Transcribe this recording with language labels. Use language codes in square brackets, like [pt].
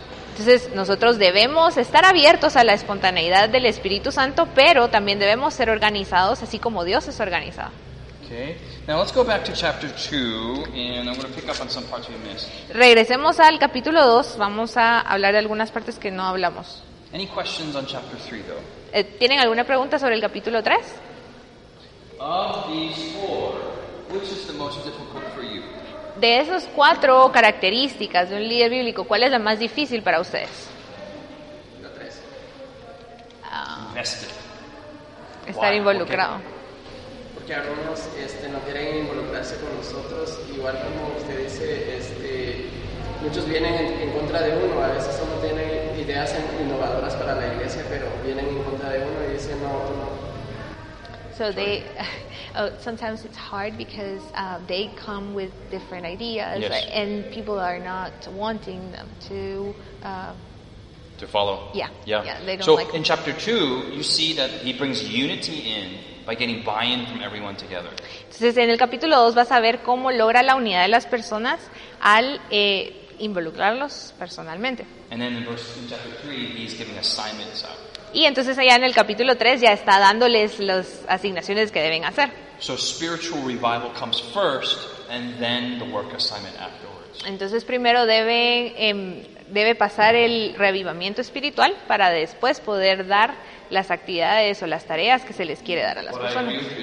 [es] Entonces nosotros debemos estar abiertos a la espontaneidad del Espíritu Santo, pero también debemos ser organizados así como Dios es organizado. [en] Now let's go back to chapter 2, and I'm going to pick up on some parts we missed. [es] Regresemos al capítulo 2, vamos a hablar de algunas partes que no hablamos. [en] Any questions on chapter 3, though? [es] ¿Tienen alguna pregunta sobre el capítulo 3? [en] Of these four, which is the most difficult for you? [es] De esas cuatro características de un líder bíblico, ¿cuál es la más difícil para ustedes? La 3. [en] Invested. [es] Estar involucrado. Okay. Que algunos no quieren involucrarse con nosotros, igual como usted dice, muchos vienen en contra de uno, a veces uno tiene ideas innovadoras para la iglesia, pero vienen en contra de uno y dicen no, no. [en] So they, sometimes it's hard because they come with different ideas, yes. And people are not wanting them to. To follow. Yeah. They don't so like in chapter 2, you see that he brings unity in. By getting buy-in from everyone together. [es] Entonces, en el capítulo 2 vas a ver cómo logra la unidad de las personas al involucrarlos personalmente. [en] And then in chapter 3, he's giving assignments out. [es] Y entonces allá en el capítulo 3 ya está dándoles las asignaciones que deben hacer. [en] So spiritual revival comes first, and then the work assignment afterwards. [es] Entonces primero debe pasar el revivamiento espiritual para después poder dar las actividades o las tareas que se les quiere dar a las personas.